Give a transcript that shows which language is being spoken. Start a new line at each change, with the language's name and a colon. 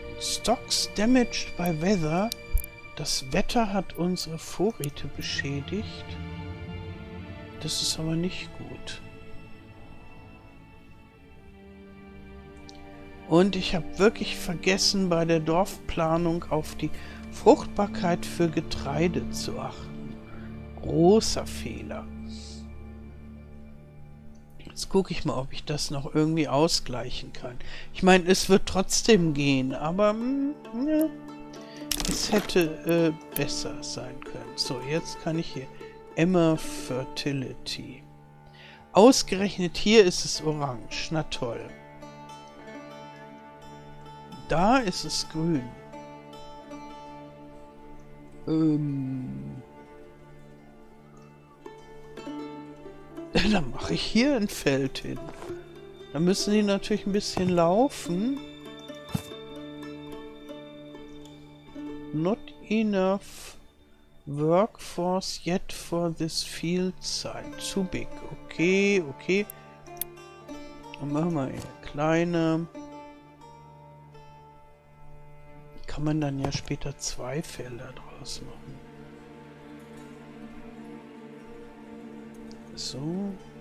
English: Stocks damaged by weather.
German: Das Wetter hat unsere Vorräte beschädigt. Das ist aber nicht gut. Und ich habe wirklich vergessen, bei der Dorfplanung auf die Fruchtbarkeit für Getreide zu achten. Großer Fehler. Jetzt gucke ich mal, ob ich das noch irgendwie ausgleichen kann. Ich meine, es wird trotzdem gehen, aber es hätte besser sein können. So, jetzt kann ich hier
English: Emma Fertility.
German: Ausgerechnet hier ist es orange. Na toll. Da ist es grün. Dann mache ich hier ein Feld hin. Da müssen die natürlich ein bisschen laufen.
English: Not enough workforce yet for this field site. Too big. Okay, okay.
German: Dann machen wir hier kleine. Kann man dann ja später zwei Felder draus machen. So.